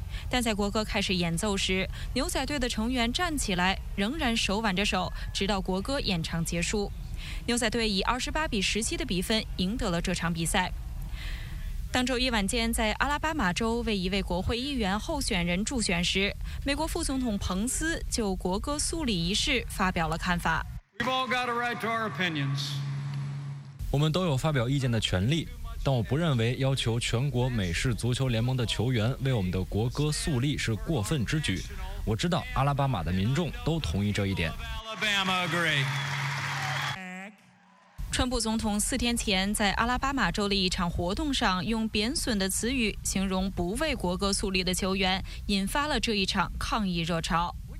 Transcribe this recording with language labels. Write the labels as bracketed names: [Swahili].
[Chinese] 但在国歌开始演奏时，牛仔队的成员站起来，仍然手挽着手，直到国歌演唱结束。牛仔队以28-17的比分赢得了这场比赛。当周一晚间在阿拉巴马州为一位国会议员候选人助选时，美国副总统彭斯就国歌肃立仪式发表了看法。 [English] We've all got a right to our opinions. [Chinese] 我们都有发表意见的权利。但我不认为要求全国美式足球联盟的球员为我们的国歌肃立是过分之举。我知道阿拉巴马的民众都同意这一点。川普总统四天前在阿拉巴马州的一场活动上用贬损的词语形容不为国歌肃立的球员，引发了这一场抗议热潮。